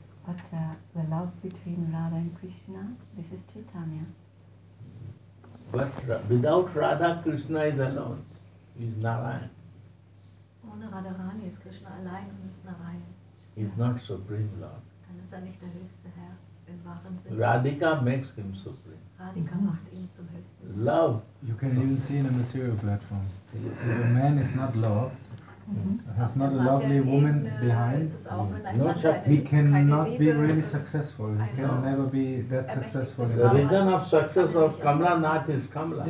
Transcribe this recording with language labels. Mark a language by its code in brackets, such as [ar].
[en] But the love between Radha and Krishna, this is Chaitanya. But without Radha, Krishna is alone, is Narayan. [de] Ohne Radharani ist Krishna allein und ist Narayan. [en] He is not Supreme Lord. [de] Dann ist er nicht der höchste Herr im wahren Sinne. [en] Radhika makes him supreme. [de] Radhika macht ihn zum höchsten. [en] Love. You can even see in a material platform. If a man is not loved, has not a lovely woman behind, he cannot be really successful. He can never be that successful. The reason of success of Kamala Nath is Kamala.